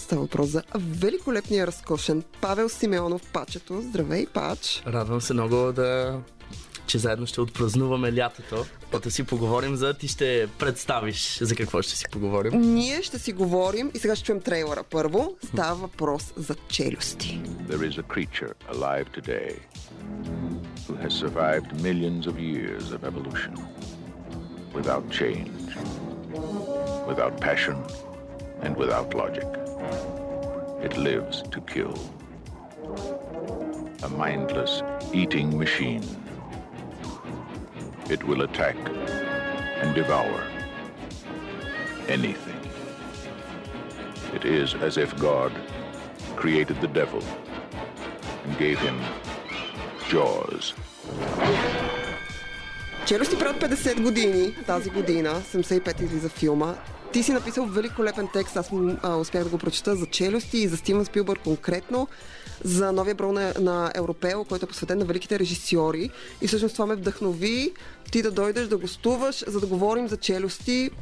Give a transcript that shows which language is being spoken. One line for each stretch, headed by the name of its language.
Bulgarian: Става въпрос за великолепния, разкошен Павел Симеонов, Пачето. Здравей, Пач! Радвам се много да... че заедно ще отпразнуваме лятото, като си поговорим за... Ти ще представиш за какво ще си поговорим. Ние ще си говорим и сега ще чуем трейлера първо. Става въпрос за челюсти.
English: There is a creature alive today who has survived millions of years of evolution without change, without passion and without logic. It lives to kill. A mindless eating machine. It will attack and devour anything. It is as if God created the devil and gave him jaws.
Bulgarian: Челюсти правят 50 години тази година, 75 излиза филма. Ти си написал великолепен текст, аз успях да го прочета, за челюсти и за Стивън Спилбърг конкретно, за новия брой на Европео, който е посветен на великите режисьори. И всъщност това ме вдъхнови ти да дойдеш, да гостуваш, за да говорим за челюсти.